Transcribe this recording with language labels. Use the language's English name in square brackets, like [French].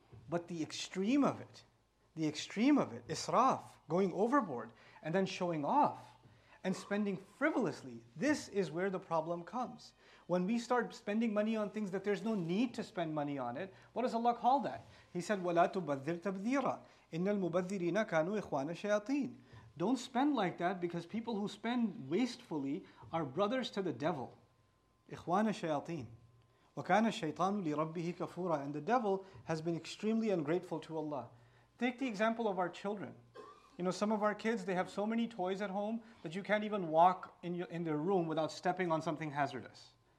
[English] But the extreme of it, israf, going overboard, and then showing off, and spending frivolously, this is where the problem comes. When we start spending money on things that there's no need to spend money on it, what does Allah call that? He said, [Arabic] وَلَا تُبَذِّرْ تَبْذِيرًا إِنَّ الْمُبَذِّرِينَ كَانُوا إِخْوَانَ الشَّيَاطِينَ. [English] Don't spend like that, because people who spend wastefully are brothers to the devil. [Arabic] إِخْوَانَ الشَّيَاطِينَ. وَكَانَ الشَّيْطَانُ لِرَبِّهِ كَفُورًا. [English] And the devil has been extremely ungrateful to Allah. Take the example of our children. You know, some of our kids, they have so many toys at home that you can't even walk in their room without stepping on something hazardous.